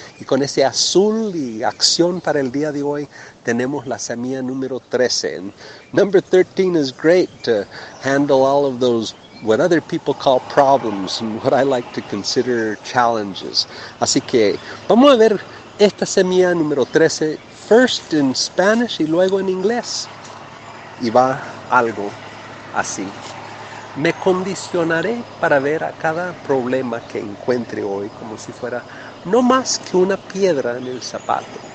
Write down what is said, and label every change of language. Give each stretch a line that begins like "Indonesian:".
Spanish: Y con ese azul y acción para el día de hoy, tenemos la semilla número 13.
English: And number 13 is great to handle all of those, what other people call problems, and what I like to consider challenges.
Spanish: Así que vamos a ver esta semilla número 13.
English: First in Spanish
Spanish: y luego en inglés. Y va algo así. Me condicionaré para ver a cada problema que encuentre hoy como si fuera no más que una piedra en el zapato.